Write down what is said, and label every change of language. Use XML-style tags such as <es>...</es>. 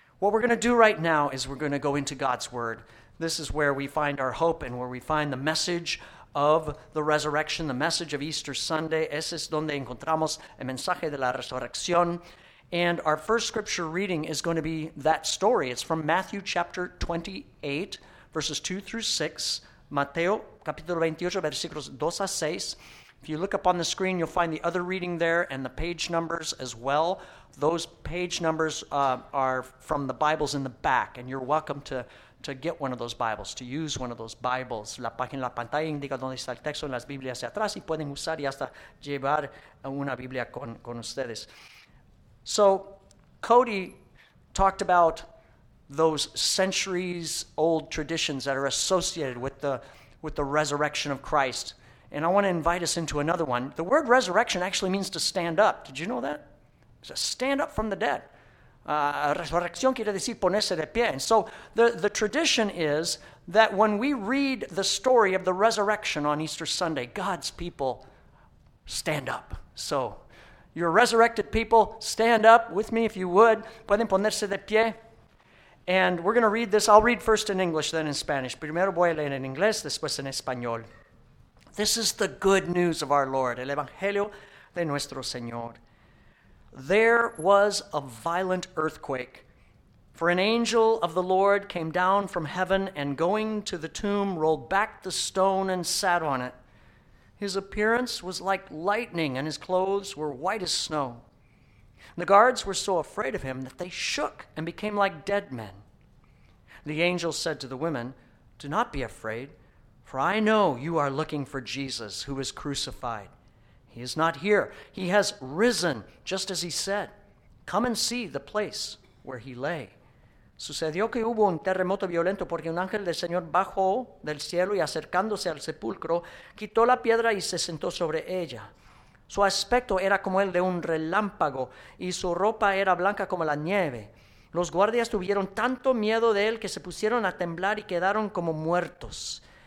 <en>What we're going to do right now is we're going to go into God's Word. This is where we find our hope and where we find the message of the resurrection, the message of Easter Sunday.</en> <es>Ese es donde encontramos el mensaje de la resurrección.</es> <en>And our first scripture reading is going to be that story. It's from Matthew chapter 28, verses 2 through 6.</en> <es>Mateo, capítulo 28, versículos 2 a 6.</es> <en>If you look up on the screen, you'll find the other reading there and the page numbers as well. Those page numbers are from the Bibles in the back, and you're welcome to get one of those Bibles, to use one of those Bibles.</en> <es>La página, la pantalla indica dónde está el texto en las Biblias de atrás, y pueden usar y hasta llevar una Biblia con ustedes.</es> <en>So, Cody talked about those centuries-old traditions that are associated with the resurrection of Christ. And I want to invite us into another one. The word resurrection actually means to stand up. Did you know that? It's a stand up from the dead.</en> <es>Resurrección quiere decir ponerse de pie.</es> <en>And so the tradition is that when we read the story of the resurrection on Easter Sunday, God's people stand up. So your resurrected people, stand up with me if you would.</en> <es>Pueden ponerse de pie.</es> <en>And we're going to read this. I'll read first in English, then in Spanish.</en> <es>Primero voy a leer en inglés, después en español.</es> <en>This is the good news of our Lord,</en> <es>el Evangelio de nuestro Señor.</es> <en>There was a violent earthquake, for an angel of the Lord came down from heaven and going to the tomb, rolled back the stone and sat on it. His appearance was like lightning and his clothes were white as snow. The guards were so afraid of him that they shook and became like dead men. The angel said to the women, "Do not be afraid. For I know you are looking for Jesus, who was crucified. He is not here. He has risen, just as he said. Come and see the place where he lay."</en> <es>Sucedió que hubo un terremoto violento porque un ángel del Señor bajó del cielo y acercándose al sepulcro, quitó la piedra y se sentó sobre ella. Su aspecto era como el de un relámpago y su ropa era blanca como la nieve. Los guardias tuvieron tanto miedo de él que se pusieron a temblar y quedaron como muertos.</es>